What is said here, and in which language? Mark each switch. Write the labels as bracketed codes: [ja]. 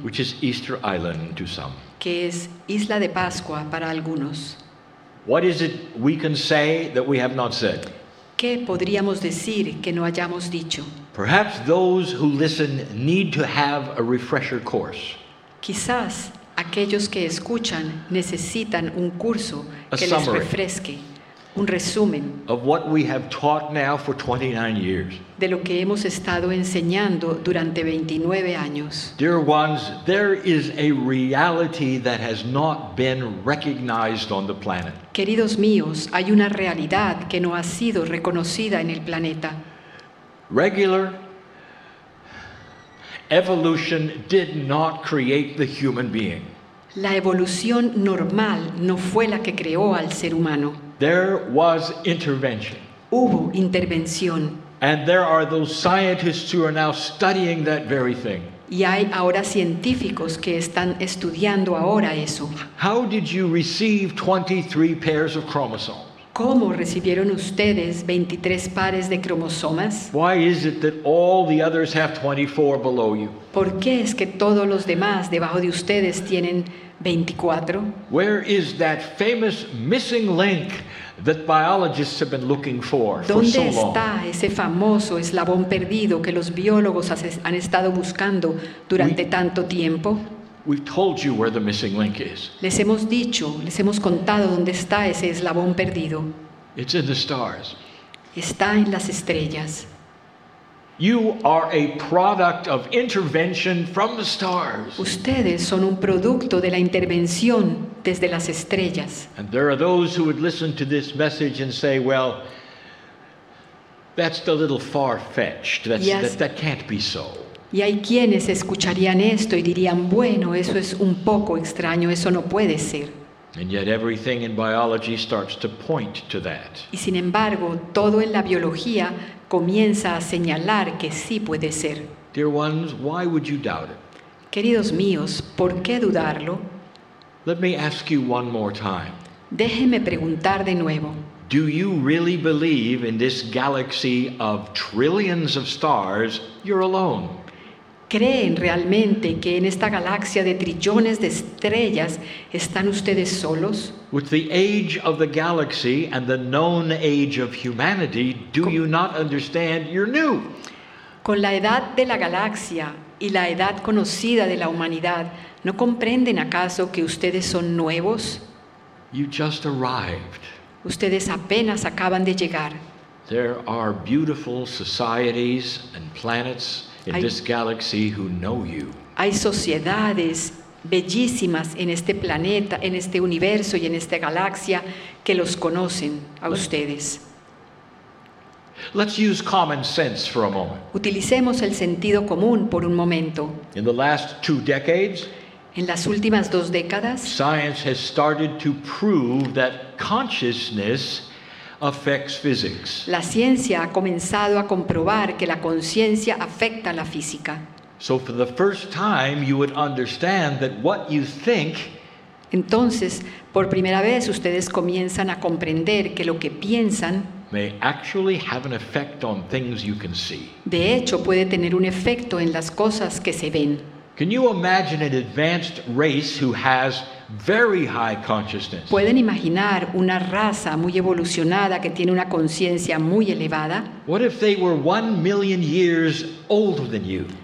[en] Which is Easter Island to some. [es] Que es Isla de Pascua para algunos. [en] What is it we can say that we have not said? [es] ¿Qué podríamos decir que no hayamos dicho? [en] Perhaps those who listen need to have a refresher course. [es] Quizás aquellos que escuchan necesitan un curso que les refresque, un resumen [en] of what we have taught now for 29 years. [es] De lo que hemos estado enseñando durante 29 años. [en] Dear ones, there is a reality that has not been recognized on the planet. [es] Queridos míos, hay una realidad que no ha sido reconocida en el planeta. [en] Regular evolution did not create the human being. [es] La evolución normal no fue la que creó al ser humano. [en] There was intervention. [es] Hubo intervención. [en] And there are those scientists who are now studying that very thing. [es] Y hay ahora científicos que están estudiando ahora eso. [en] How did you receive 23 pairs of chromosomes? [es] ¿Cómo recibieron ustedes 23 pares de cromosomas? [en] Why is it that all the others have 24 below you? [es] ¿Por qué es que todos los demás debajo de ustedes tienen 24? [en] Where is that famous missing link that biologists have been looking for so long? [es] ¿Dónde está ese famoso eslabón perdido que los biólogos han estado buscando durante tanto tiempo? [en] We've told you where the missing link is. [es] Les hemos dicho, les hemos contado dónde está ese eslabón perdido. [en] It's in the stars. [es] Está en las estrellas. [en] You are a product of intervention from the stars. [es] Ustedes son un producto de la intervención desde las estrellas. [en] And there are those who would listen to this message and say, well, that's a little far-fetched. That can't be so. [es] Y hay quienes escucharían esto y dirían, bueno, eso es un poco extraño, eso no puede ser. [en] And yet everything in biology starts to point to that. [es] Y sin embargo, todo en la biología comienza a señalar que sí puede ser. [en] Dear ones, why would you doubt it? [es] Queridos míos, ¿por qué dudarlo? [en] Let me ask you one more time. [es] Déjeme preguntar de nuevo. [en] Do you really believe in this galaxy of trillions of stars, you're alone? [es] ¿Creen realmente que en esta galaxia de trillones de estrellas están ustedes solos? [en] With the age of the galaxy and the known age of humanity, do you not understand you're new? [es] Con la edad de la galaxia y la edad conocida de la humanidad, ¿no comprenden acaso que ustedes son nuevos? [en] You just arrived. [es] Ustedes apenas acaban de llegar. [en] There are beautiful societies and planets in this galaxy who know you. [es] Hay sociedades bellísimas en este planeta, en este universo y en esta galaxia que los conocen a ustedes. [en] Let's use common sense for a moment. [es] Utilicemos el sentido común por un momento. [en] In the last two decades, [es] en las últimas dos décadas, [en] science has started to prove that consciousness affects physics. [es] La ciencia ha comenzado a comprobar que la conciencia afecta la física. [en] So for the first time you would understand that what you think. [es] Entonces, por primera vez ustedes comienzan a comprender que lo que piensan [en] may actually have an effect on things you can see. [es] De hecho, puede tener un efecto en las cosas que se ven. [en] Can you imagine an advanced race who has very high consciousness. [es] ¿Pueden imaginar una raza muy evolucionada que tiene una conciencia muy elevada? [en] What if they were 1 million years older than you?